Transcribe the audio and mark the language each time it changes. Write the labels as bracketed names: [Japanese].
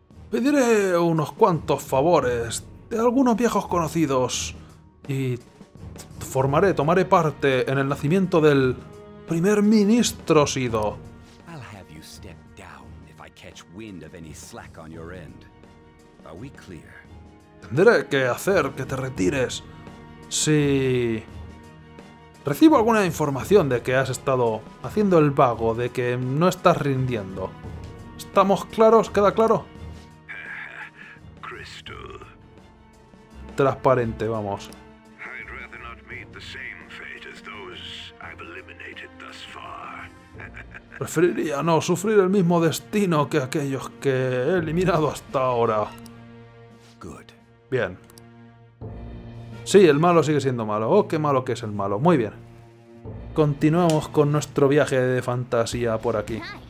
[Spanish] Pediré unos cuantos favores de algunos viejos conocidos y tomaré parte en el nacimiento del primer ministro Shido. [English] I'll have you step down if I catch wind of any slack on your end. Are we clear? [Spanish] Tendré que hacer que te retires si recibo alguna información de que has estado haciendo el vago, de que no estás rindiendo. ¿Estamos claros? ¿Queda claro? [English] Crystal. [Spanish] Transparente, vamos. [English] I'd rather not meet the same fate as those I've eliminated thus far. [Spanish] Preferiría no sufrir el mismo destino que aquellos que he eliminado hasta ahora. Bien. Sí, el malo sigue siendo malo. Oh, qué malo que es el malo. Muy bien. Continuamos con nuestro viaje de fantasía por aquí.